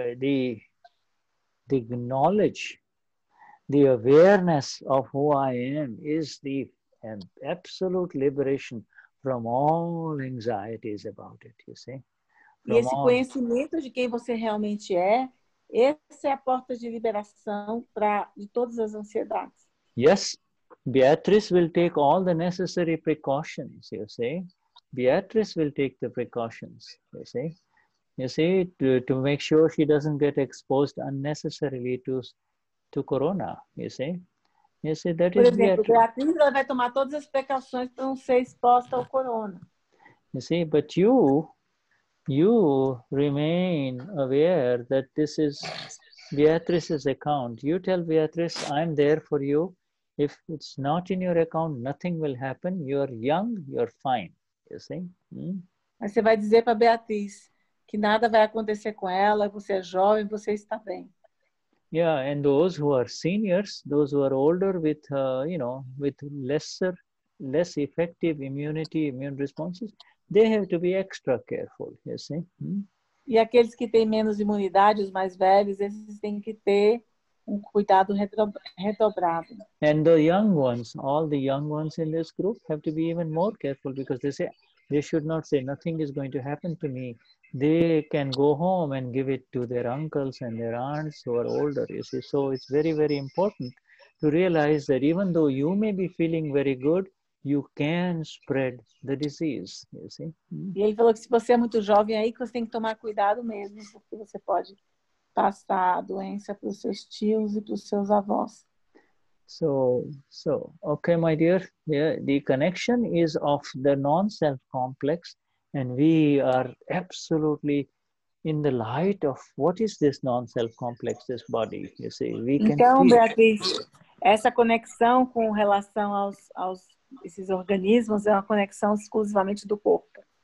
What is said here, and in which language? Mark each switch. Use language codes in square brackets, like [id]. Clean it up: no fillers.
[en] The knowledge, the awareness of who I am is the absolute liberation from all anxieties about it, you see? [pt] E esse conhecimento de quem você realmente é, Essa é a porta de liberação para de todas as ansiedades. [en] Yes, Beatrice will take all the necessary precautions, you see. Beatrice will take the precautions, you see. You see, to make sure she doesn't get exposed unnecessarily to corona, you see. You see, that [pt] por [en] is [pt] exemplo, Beatrice vai tomar todas as precauções para não ser exposta ao corona. [en] You see, but you remain aware that this is Beatrice's account. You tell Beatrice, I'm there for you. If it's not in your account, nothing will happen. You're young, you're fine. You see? [pt] Mas você vai dizer para Beatrice que nada vai acontecer com ela, você é jovem, você está bem. [en] Yeah, and those who are seniors, those who are older with, you know, with less effective immunity, immune responses, they have to be extra careful, you see? [pt] E aqueles que têm menos imunidade, os mais velhos, esses têm que ter um cuidado redobrado. [en] And the young ones, all the young ones in this group have to be even more careful because they should not say nothing is going to happen to me. They can go home and give it to their uncles and their aunts who are older, you see? So it's very, very important to realize that even though you may be feeling very good, you can spread the disease, you see? [pt] E ele falou que se você é muito jovem aí, que você tem que tomar cuidado mesmo, porque você pode passar a doença para os seus tios e para os seus avós. [en] So, okay, my dear, yeah, the connection is of the non-self complex, and we are absolutely in the light of what is this non-self complex, this body, you see? We can [pt] então, Beatriz, essa conexão com relação aos esses organismos é uma conexão exclusivamente do corpo.